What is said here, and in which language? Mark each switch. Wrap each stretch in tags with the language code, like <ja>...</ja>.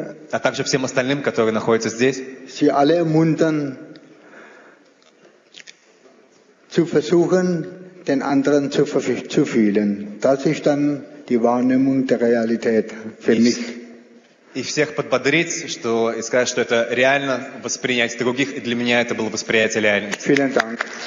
<ru>А также всем остальным, которые находятся здесь.</ru> <de>Sie alle ermuntern zu versuchen, den anderen zu fühlen. Das ist dann die Wahrnehmung der Realität für mich.</de> <ru>И всех подбодрить, что и сказать, что это реально воспринять других, и для меня это было восприятие реально.</ru> <de>Vielen Dank.</de>